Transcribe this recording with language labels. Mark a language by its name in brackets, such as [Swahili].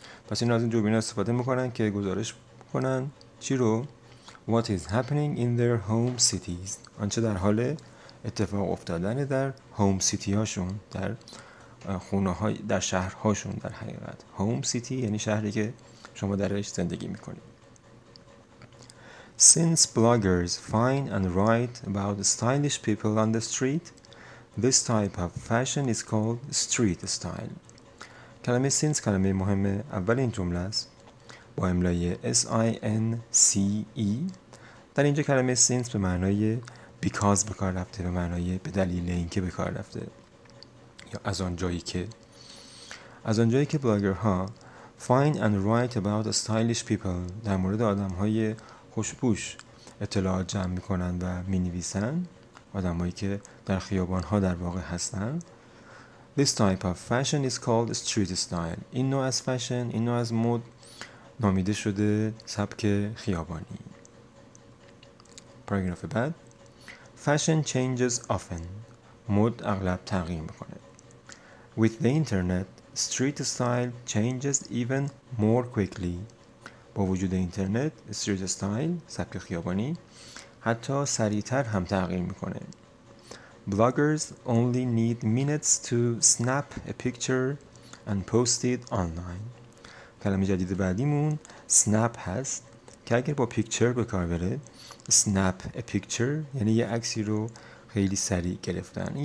[Persian] پس این از این دوربین استفاده میکنن که گزارش کنن چی رو؟ [English] What is happening in their home cities. [Persian] آنچه در حال اتفاق افتادن در home city هاشون، در خونه های در شهرهاشون. در حقیقت home city یعنی شهری که شما درش زندگی میکنید. [English] Since bloggers find and write about stylish people on the street, this type of fashion is called street style. [Persian] کلمه since کلمه مهمه. اولین جمله است با املای since. در اینجا کلمه since به معنای because بکار رفته، به معنای به دلیل اینکه بکار رفته، یا از آنجایی که. از آنجایی که بلاگرها [English] find and write about stylish people، [Persian] در مورد آدم های خوشپوش اطلاعات جمع میکنن و مینویسن، آدم هایی که در خیابان ها در واقع هستن، [English] this type of fashion is called street style. [Persian] این نوع از فشن، این نوع از مد نامیده شده سبک خیابانی. پاراگراف بعد، [English] fashion changes often. [Persian] مد اغلب تغییر میکنه. [English] With the internet street style changes even more quickly. [Persian] با وجود اینترنت street style سبک خیابانی حتی سریعتر هم تغییر میکنه. [English] Bloggers only need minutes to snap a picture and post it online. [Persian] کلمه جدید بعدیمون snap هست که اگر با picture به کار بره، [English] snap a picture [Persian] یعنی یه عکسی رو خیلی سریع گرفتن.